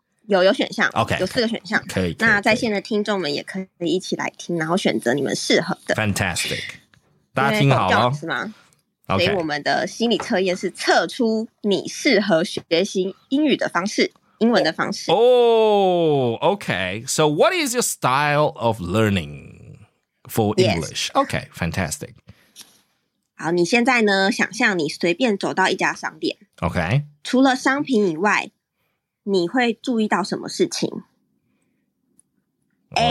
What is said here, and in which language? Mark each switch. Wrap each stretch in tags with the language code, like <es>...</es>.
<zh>有选项</zh> <en>，OK，</en> <zh>有四个选项，可以。那在线的听众们也可以一起来听，然后选择你们适合的。 Fantastic， 大家听好了、哦，是吗 ？OK， 所以我们的心理测验是测出你适合学习英语的方式，英文的方式。</zh> <en>OK, so what is your style of learning for English?、 Yes. OK, fantastic。</en> <zh>好，你现在呢？想象你随便走到一家商店</zh> <en>，OK。</en> <zh>除了商品以外，你会注意到什么事情 ？A.</zh>